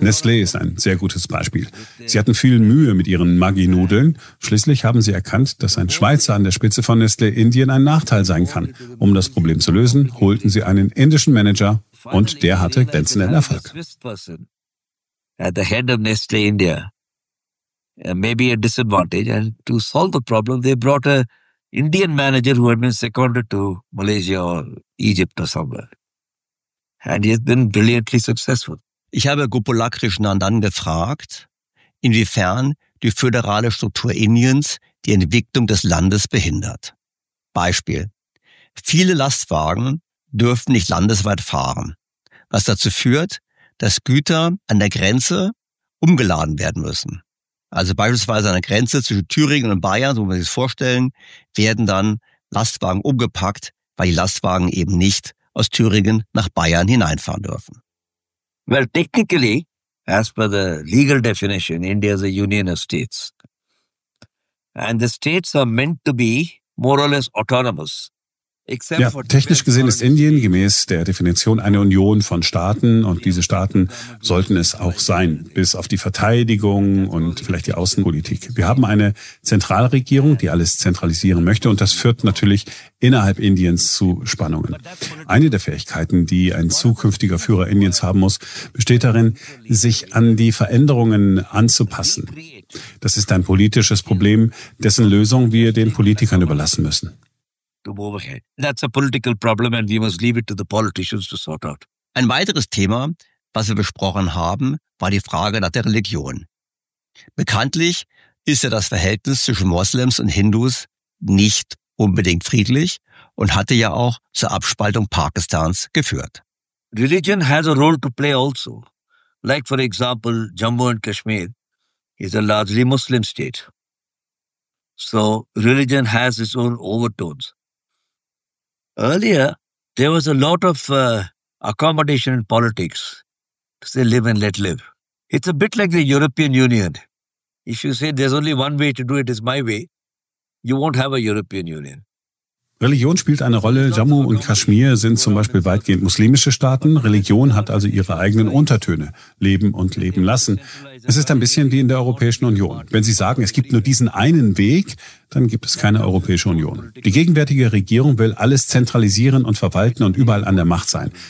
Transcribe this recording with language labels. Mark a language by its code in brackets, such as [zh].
[de] Nestlé ist ein sehr gutes Beispiel. Sie hatten viel Mühe mit ihren Maggi-Nudeln. Schließlich haben sie erkannt, dass ein Schweizer an der Spitze von Nestlé Indien ein Nachteil sein kann. Um das Problem zu lösen, holten sie einen indischen Manager. Und der hatte glänzenden Erfolg. [en] At the head of Nestlé India, maybe a disadvantage, and to solve the problem, they brought an Indian manager who had been seconded to Malaysia or Egypt or somewhere. And he has been brilliantly successful. [de] Ich habe Gopalakrishnan dann gefragt, inwiefern die föderale Struktur Indiens die Entwicklung des Landes behindert. Beispiel: Viele Lastwagen dürfen nicht landesweit fahren, was dazu führt, dass Güter an der Grenze umgeladen werden müssen. Also beispielsweise an der Grenze zwischen Thüringen und Bayern, so muss man sich das vorstellen, werden dann Lastwagen umgepackt, weil die Lastwagen eben nicht aus Thüringen nach Bayern hineinfahren dürfen. [en] Well, technically, as per the legal definition, India is a union of states. And the states are meant to be more or less autonomous. [de] Ja, technisch gesehen ist Indien gemäß der Definition eine Union von Staaten und diese Staaten sollten es auch sein, bis auf die Verteidigung und vielleicht die Außenpolitik. Wir haben eine Zentralregierung, die alles zentralisieren möchte und das führt natürlich innerhalb Indiens zu Spannungen. Eine der Fähigkeiten, die ein zukünftiger Führer Indiens haben muss, besteht darin, sich an die Veränderungen anzupassen. Das ist ein politisches Problem, dessen Lösung wir den Politikern überlassen müssen. [en] That's a political problem and we must leave it to the politicians to sort out. [de] Ein weiteres Thema, was wir besprochen haben, war die Frage nach der Religion. Bekanntlich ist ja das Verhältnis zwischen Moslems und Hindus nicht unbedingt friedlich und hatte ja auch zur Abspaltung Pakistans geführt. [en] Religion has a role to play also. Like for example, Jammu and Kashmir is a largely Muslim state. So religion has its own overtones. Earlier, there was a lot of accommodation in politics, to say live and let live. It's a bit like the European Union. If you say there's only one way to do it, it's my way, you won't have a European Union. [de] Religion spielt eine Rolle. Jammu und Kaschmir sind zum Beispiel weitgehend muslimische Staaten. Religion hat also ihre eigenen Untertöne, Leben und Leben lassen. Es ist ein bisschen wie in der Europäischen Union. Wenn Sie sagen, es gibt nur diesen einen Weg, dann gibt es keine Europäische Union. Die gegenwärtige Regierung will alles zentralisieren und verwalten und überall an der Macht sein.